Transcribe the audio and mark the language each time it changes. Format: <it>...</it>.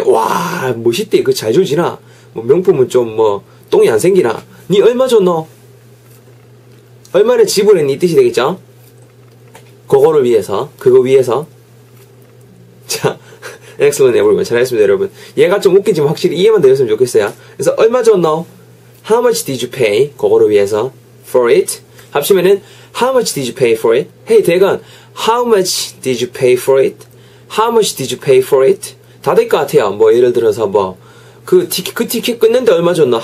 <ko>와, 멋있대. 그거 잘 조지나? 뭐, 명품은 좀, 뭐, 똥이 안 생기나? 니 얼마 줬노? 얼마를 지불했니? 이 뜻이 되겠죠? 그거를 위해서, 그거 위해서. 자, 엑슬런 에브리원. 잘했습니다, 여러분. 얘가 좀 웃기지만 확실히 이해만 되었으면 좋겠어요. 그래서, 얼마 줬노?</ko> <en>How much did you pay?</en> <ko>그거를 위해서.</ko> <en>For it.</en> <ko>합치면은,</ko> <en>How much did you pay for it? Hey, 대건, How much did you pay for it? How much did you pay for it?</en> <ko>다 될 것 같아요. 뭐, 예를 들어서, 뭐, 그 티켓 끊는데 얼마 줬노?</ko>